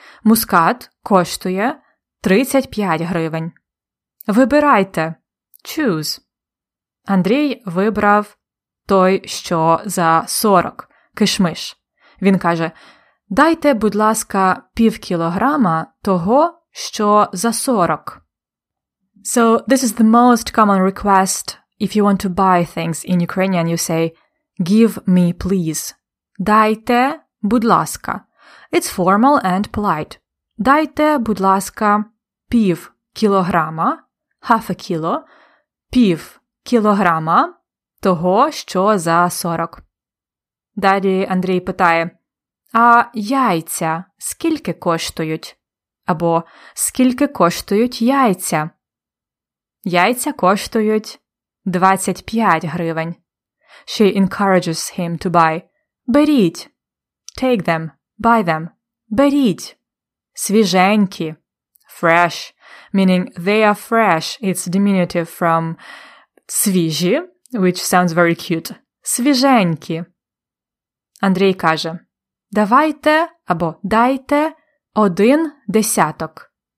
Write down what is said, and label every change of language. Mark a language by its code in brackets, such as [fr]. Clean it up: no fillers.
[uk] Мускат коштує 35 гривень. Вибирайте. [en] Choose. [uk] Андрій вибрав той, що за 40. Кишмиш. Він каже: «Дайте, будь ласка, пів кілограма того, що за 40». [en] So, this is the most common request if you want to buy things in Ukrainian. You say, give me, please. [uk] Дайте, будь ласка. [en] It's formal and polite. [uk] Дайте, будь ласка, пів кілограма, [en] half a kilo, [uk] пів кілограма того, що за 40. Далі Андрій питає: «А яйця скільки коштують?» Або «Скільки коштують яйця?» «Яйця коштують 25 гривень». [en] She encourages him to buy. [uk] «Беріть!» [en] «Take them!» «Buy them!» [uk] «Беріть!» «Свіженькі!» [en] «Fresh!» Meaning «they are fresh!» It's diminutive from «свіжі», which sounds very cute. [uk] «Свіженькі!» Андрій каже: «Давайте або дайте один десяток».